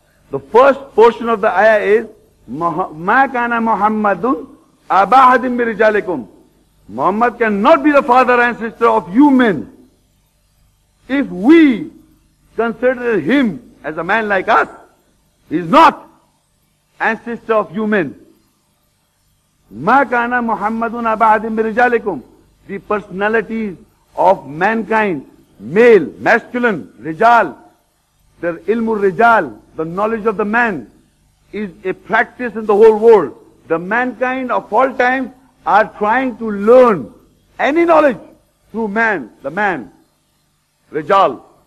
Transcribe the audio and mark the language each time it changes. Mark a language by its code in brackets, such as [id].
[en] The first portion of the ayah is, [ar] مَا كَانَ مُحَمَّدٌ أَبَا أَحَدٍ بِرِجَالِكُمْ. [en] Muhammad cannot be the father and sister of you men. If we consider him as a man like us, he is not ancestor of you men. [ar] مَا كَانَ مُحَمَّدٌ أَبَا أَحَدٍ بِرِجَالِكُمْ. [en] The personalities of mankind, male, masculine, rijal, the ilmur rijal, the knowledge of the man, is a practice in the whole world. The mankind of all times are trying to learn any knowledge through man, the man, rijal.